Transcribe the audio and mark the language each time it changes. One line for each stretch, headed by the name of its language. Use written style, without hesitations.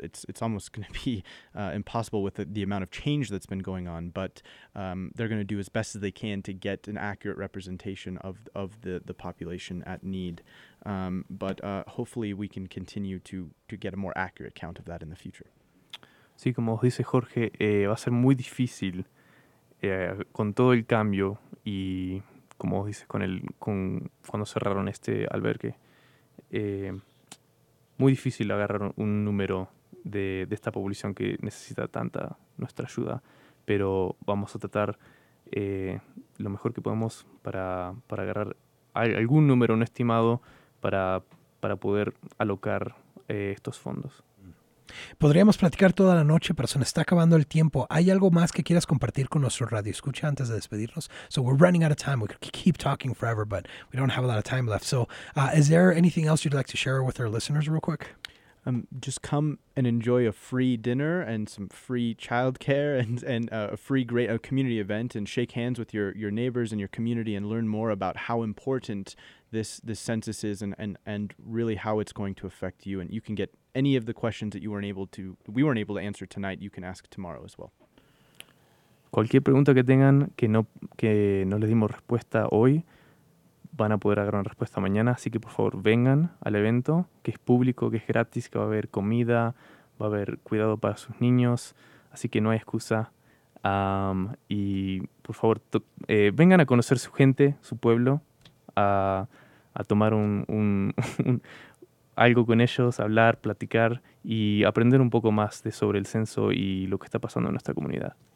English: It's almost going to be impossible with the amount of change that's been going on, but they're going to do as best as they can to get an accurate representation of the population at need. Hopefully we can continue to get a more accurate count of that in the future.
Spanish: Sí, como dice Jorge, va a ser muy difícil con todo el cambio y como dice con cuando cerraron este albergue. Muy difícil agarrar un número de esta población que necesita tanta nuestra ayuda, pero vamos a tratar lo mejor que podemos para agarrar algún número no estimado para poder alocar estos fondos. Podríamos platicar toda la noche, pero se nos está acabando el tiempo. ¿Hay algo más que quieras compartir con nuestro radio escucha antes de despedirnos?
English: So we're running out of time. We could keep talking forever, but we don't have a lot of time left. So is there anything else you'd like to share with our listeners real quick? Just come and enjoy a free dinner and some free childcare and a free great community event and shake hands with your neighbors and your community and learn more about how important this census is and really how it's going to affect you. And you can get any of the questions that we weren't able to answer tonight, you can ask tomorrow as well.
Spanish: Cualquier pregunta que tengan que no les dimos respuesta hoy, van a poder agarrar una respuesta mañana. Así que por favor vengan al evento, que es público, que es gratis, que va a haber comida, va a haber cuidado para sus niños. Así que no hay excusa. Y por favor vengan a conocer su gente, su pueblo, a tomar un algo con ellos, hablar, platicar y aprender un poco más de sobre el censo y lo que está pasando en nuestra comunidad.